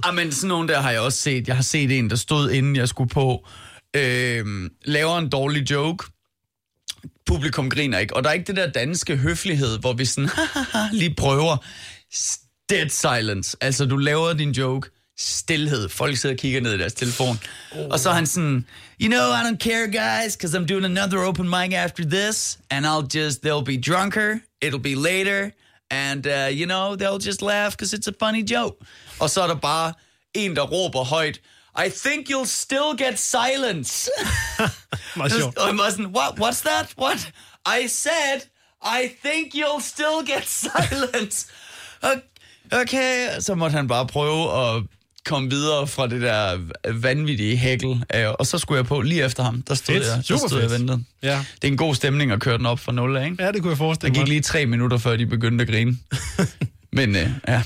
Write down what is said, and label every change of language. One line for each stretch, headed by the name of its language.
Danish: Jamen, sådan nogen der har jeg også set. Jeg har set en, der stod inden jeg skulle på, laver en dårlig joke... Publikum griner ikke, og der er ikke det der danske høflighed, hvor vi sådan lige prøver
English: dead silence.
Danish: Altså, du laver din joke, stillhed. Folk sidder og kigger ned i deres telefon. Oh. Og så han sådan,
English: you know, I don't care, guys, because I'm doing another open mic after this, and I'll just, they'll be drunker, it'll be later, and, you know, they'll just laugh, because it's a funny joke.
Danish: Og så er der bare en, der råber højt,
English: I think you'll still get silence. I'm asking, what's that? What? I said, I think you'll still get silence.
Danish: Okay, så måtte han bare prøve at komme videre fra det der vanvittige hækkel. Og så skulle jeg på lige efter ham. Der stod fedt. Jeg. Der stod jeg ventet. Ja. Det er en god stemning at køre den op fra 0, ikke? Ja, det kunne jeg forestille mig. Der gik lige 3 minutter, før de begyndte at grine. Men ja.